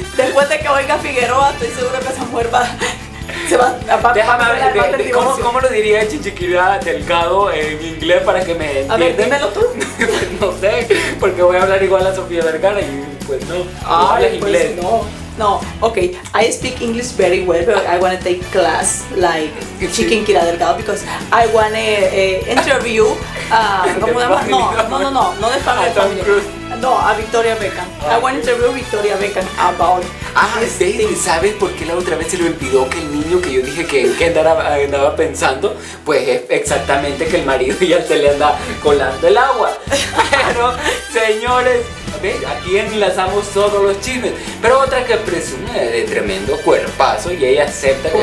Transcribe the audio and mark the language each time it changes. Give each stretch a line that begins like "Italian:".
Spanish: Después de que oiga Figueroa, estoy segura que esa mujer va... Se va a papá. Déjame ver, ¿cómo lo diría Chichiquilá Delgado en inglés para que me entienda? A ver, démelo tú. No sé, porque voy a hablar igual a Sofía Vergara y pues no. Ah, pues inglés. No. No, okay.
English: I speak English very well, but I want to take class like Chicken Kira Delgado because I want to interview.
Spanish: No, de
English: Family.
Spanish: No, a Victoria Beckham.
English: Oh, I want to interview Victoria Beckham about.
Spanish: Ah, David, ¿sabes por qué la otra vez se lo olvidó que el niño que yo dije que andaba pensando? Pues es exactamente que el marido ya se le anda colando el agua. Pero, señores, ¿ves? Aquí enlazamos todos los chismes. Pero otra que presume de tremendo cuerpazo y ella acepta que